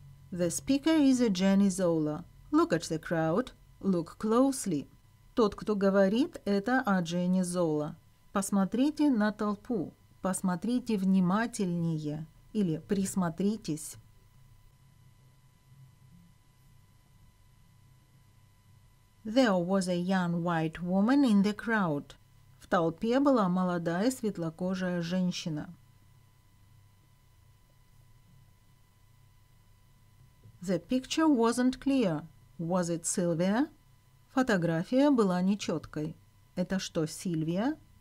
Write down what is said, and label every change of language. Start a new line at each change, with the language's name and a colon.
English: The speaker is a Jenny Zola. Look at the crowd. Look closely.
Russian: Тот, кто говорит, это о Дженни Зола. Посмотрите на толпу. Посмотрите внимательнее или присмотритесь.
English: There was a young white woman in the crowd.
Russian: В толпе была молодая светлокожая женщина.
English: The picture wasn't clear. Was it Sylvia?
Russian: Фотография была нечеткой. Это что, Сильвия?